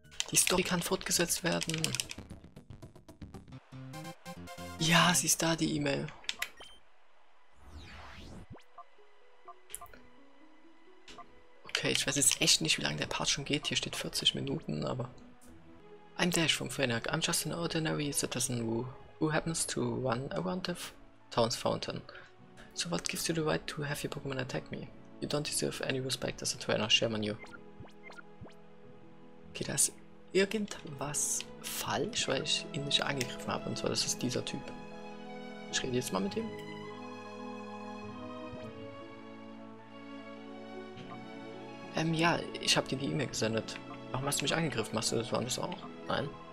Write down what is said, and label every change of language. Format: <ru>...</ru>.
<de>Die Story kann fortgesetzt werden. Ja, sie ist da, die E-Mail. Okay, ich weiß jetzt echt nicht, wie lange der Part schon geht. Hier steht 40 Minuten, aber...</de> <en>I'm Dash from Fennec. I'm just an ordinary citizen who happens to run around the... Towns Fountain. So what gives you the right to have your Pokemon attack me? You don't deserve any respect as a trainer, shame on you.</en> <de>Okay, da ist irgendwas falsch, weil ich ihn nicht angegriffen habe. Und zwar, das ist dieser Typ. Ich rede jetzt mal mit ihm. Ja, ich habe dir die E-Mail gesendet. Warum hast du mich angegriffen? Machst du das woanders auch? Nein.</de>